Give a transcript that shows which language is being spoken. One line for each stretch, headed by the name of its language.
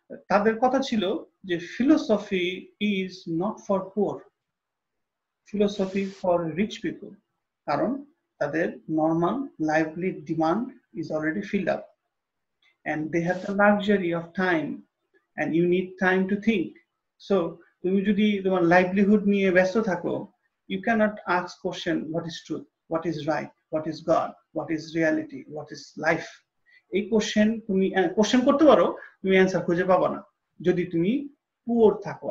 Bangla: তাদের কথা ছিল যে
English: philosophy is not for poor, philosophy for rich people,
Bangla: কারণ তাদের
English: Normal lively demand is already filled up. and they have the luxury of time and you need time to think. So
Bangla: তুমি যদি তোমার livelihood নিয়ে ব্যস্ত থাকো,
English: You can't ask question what is truth, what is right, what is god, what is reality, what is life.
Bangla: এই question তুমি question করতে পারো, তুমি অ্যান্সার খুঁজে পাবো না যদি তুমি পুয়ার থাকো।